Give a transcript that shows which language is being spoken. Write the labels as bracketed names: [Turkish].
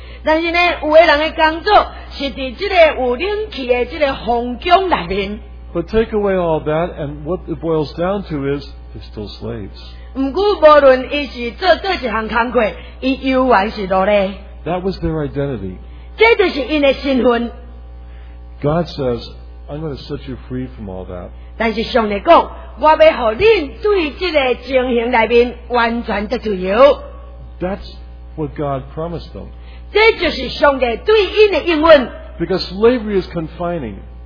[Min Nan Chinese] 但是呢，有的人的工作是伫这个有冷气的这个环境内面。 [English] But take away all that, and what it boils down to is, they're still slaves. [Min Nan Chinese] 不过，无论伊是做多一项工作，伊依然是奴隶。 [English] That was their identity. [Min Nan Chinese] 这就是因的身份。 [English] God says, I'm going to set you free from all that. [Min Nan Chinese] 但是上帝讲。 [English] That's what God promised them. Because slavery is confining.